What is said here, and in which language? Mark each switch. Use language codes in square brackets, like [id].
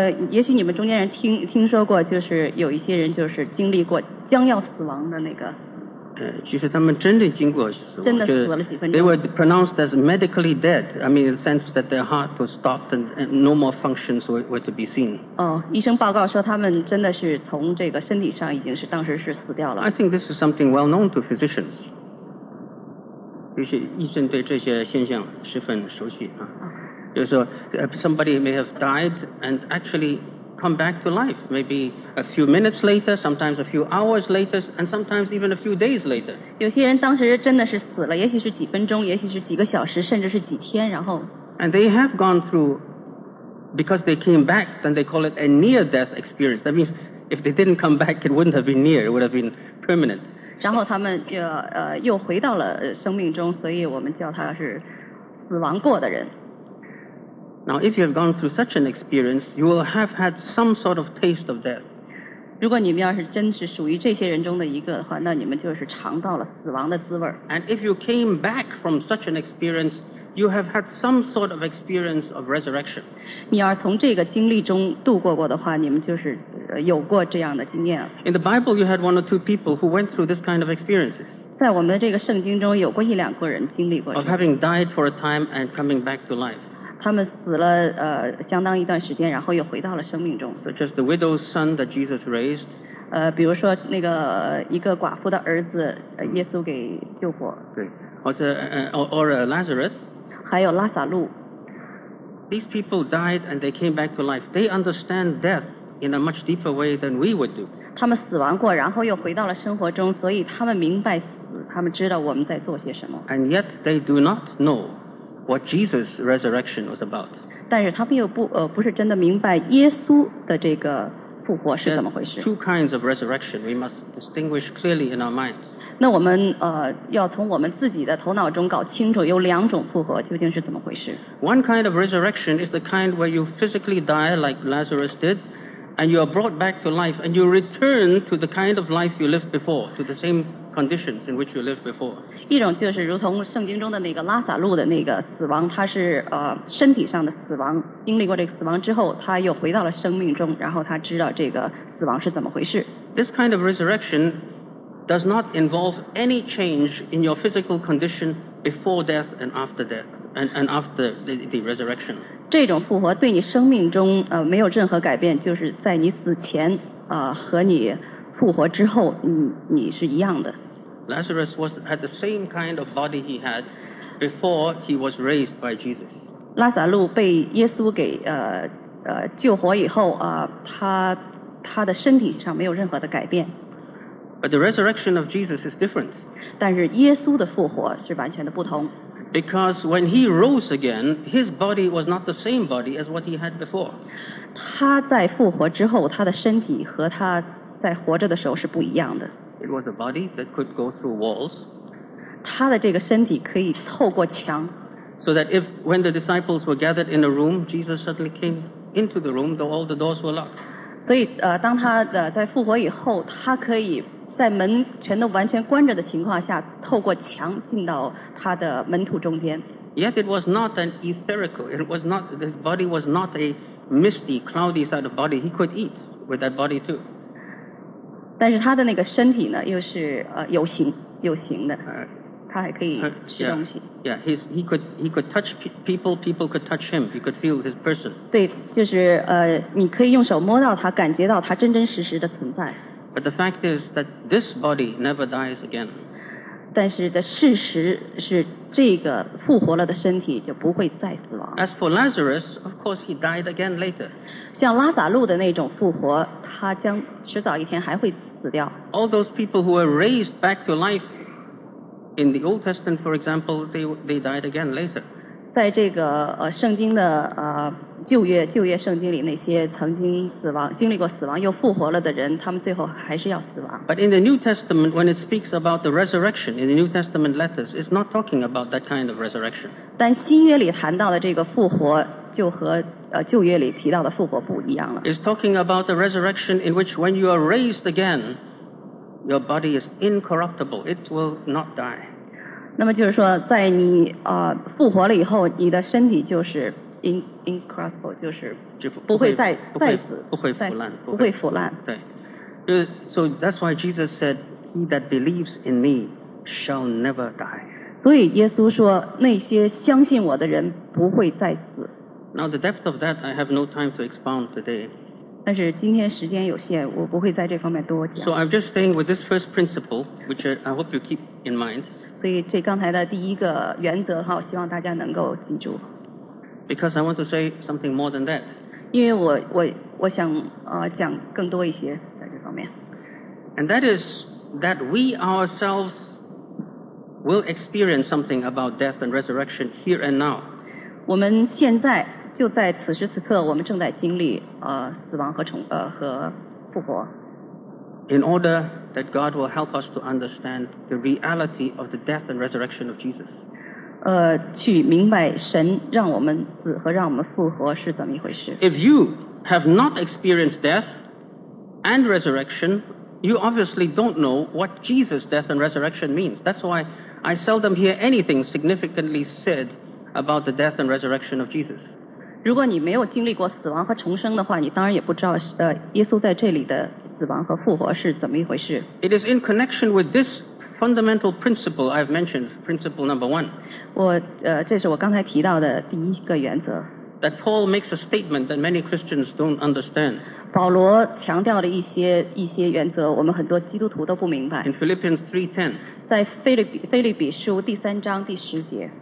[zh] 也许你们中间人听说过，就是有一些人就是经历过将要死亡的那个。其实他们真的经过死亡，真的死了几分钟。 [en] They were pronounced as medically dead. I mean, in the sense that their heart was stopped and no more functions were to be seen. [zh] 医生报告说他们真的是从这个身体上已经是当时是死掉了。 [en] I think this is something well known to physicians. [zh] 就是医生对这些现象十分熟悉啊，就是说 [en] somebody may have died and actually come back to life, maybe a few minutes later, sometimes a few hours later, and sometimes even a few days later. [zh] 有些人当时真的是死了，也许是几分钟，也许是几个小时，甚至是几天，然后。 [en] And they have gone through, because they came back, then they call it a near-death experience. That means if they didn't come back, it wouldn't have been near; it would have been permanent. [zh] 然后他们就又回到了生命中，所以我们叫他是死亡过的人。 [en] Now, if you have gone through such an experience, you will have had some sort of taste of death. [zh] 如果你们要是真是属于这些人中的一个的话，那你们就是尝到了死亡的滋味。 [en] And if you came back from such an experience, you have had some sort of experience of resurrection. [zh] 你要从这个经历中度过过的话，你们就是。有过这样的经验。 [en] In the Bible, you had one or two people who went through this kind of experiences. [zh] 在我们的这个圣经中，有过一两个人经历过。 [en] Of having died for a time and coming back to life. [zh] 他们死了相当一段时间，然后又回到了生命中。 [en] Such as the widow's son that Jesus raised. [zh] 比如说那个一个寡妇的儿子，耶稣给救过。对，或者or Lazarus. 还有拉撒路。 [en] These people died and they came back to life. They understand death. In a much deeper way than we would do. [zh] 他们死亡过，然后又回到了生活中，所以他们明白死，他们知道我们在做些什么。 [en] And yet they do not know what Jesus' resurrection was about. [zh] 但是他们又不是真的明白耶稣的这个复活是怎么回事。 [en] There are two kinds of resurrection we must distinguish clearly in our minds. [zh] 那我们要从我们自己的头脑中搞清楚有两种复活究竟是怎么回事。 [en] One kind of resurrection is the kind where you physically die like Lazarus did. And you are brought back to life, and you return to the kind of life you lived before, to the same conditions in which you lived before. [zh] 一种就是如同圣经中的那个拉撒路的那个死亡，他是身体上的死亡，经历过这个死亡之后，他又回到了生命中，然后他知道这个死亡是怎么回事。 [en] This kind of resurrection does not involve any change in your physical condition before death and after death, and after the resurrection. [zh] 这种复活对你生命中没有任何改变，就是在你死前和你复活之后，你是一样的。 [en] Lazarus had the same kind of body he had before he was raised by Jesus. [zh] 拉撒路被耶稣给救活以后他的身体上没有任何的改变。 [en] But the resurrection of Jesus is different. [zh] 但是耶稣的复活是完全的不同。 [en] Because when he rose again, his body was not the same body as what he had before. [zh] 他在复活之后，他的身体和他在活着的时候是不一样的。 [en] It was a body that could go through walls. [zh] 他的这个身体可以透过墙。 [en] So that if when the disciples were gathered in a room, Jesus suddenly came into the room, though all the doors were locked. [zh] 所以当他在复活以后，他可以。在门全都完全关着的情况下，透过墙进到他的门徒中间。 [en] Yet it was not an etherical. It was not. His body was not a misty, cloudy side of body. He could eat with that body too. [zh] 但是他的那个身体呢，又是有形的。他还可以吃东西。 [en] He could touch people. People could touch him. He could feel his person. [zh] 对，就是你可以用手摸到他，感觉到他真真实实的存在。 [en] But the fact is that this body never dies again. [zh] 但是的事实是，这个复活了的身体就不会再死亡。 [en] As for Lazarus, of course, he died again later. [zh] 像拉撒路的那种复活，他将迟早一天还会死掉。 [en] All those people who were raised back to life in the Old Testament, for example, they died again later. [zh] 在这个圣经的旧约圣经里那些曾经死亡经历过死亡又复活了的人他们最后还是要死亡。 [en] But in the New Testament, when it speaks about the resurrection, in the New Testament letters, it's not talking about that kind of resurrection. [zh] 但新约里谈到的这个复活就和旧约里提到的复活不一样了。 [en] It's talking about the resurrection in which when you are raised again, your body is incorruptible. It will not die. [zh] 那么就是说在你复活了以后你的身体就是 incorruptible 就是不会再不会腐烂，不会腐烂。对，所以 [en] that's why Jesus said, "He that believes in me shall never die." [zh] 所以耶稣说，那些相信我的人不会再死。 [en] Now the depth of that, I have no time to expound today. [zh] 但是今天时间有限，我不会在这方面多讲。 [en] So I'm just staying with this first principle, which I hope you keep in mind. [zh] 所以这刚才的第一个原则哈，希望大家能够记住。 [en] Because I want to say something more than that. [zh] 因为我想讲更多一些在这方面。 [en] And that is that we ourselves will experience something about death and resurrection here and now. [zh] 我们现在就在此时此刻，我们正在经历死亡和复活。 [en] In order that God will help us to understand the reality of the death and resurrection of Jesus. [zh] 去明白神让我们死和让我们复活是怎么一回事。 [en] If you have not experienced death and resurrection, you obviously don't know what Jesus' death and resurrection means. That's why I seldom hear anything significantly said about the death and resurrection of Jesus. [zh] 如果你没有经历过死亡和重生的话，你当然也不知道耶稣在这里的死亡和复活是怎么一回事。 [en] It is in connection with this fundamental principle I've mentioned, principle number one. [zh] 这是我刚才提到的第一个原则。 [en] That Paul makes a statement that many Christians don't understand. [zh] 保罗强调的一些原则，我们很多基督徒都不明白。 [en] In Philippians 3:10. [zh] 在腓立比书第三章第十节。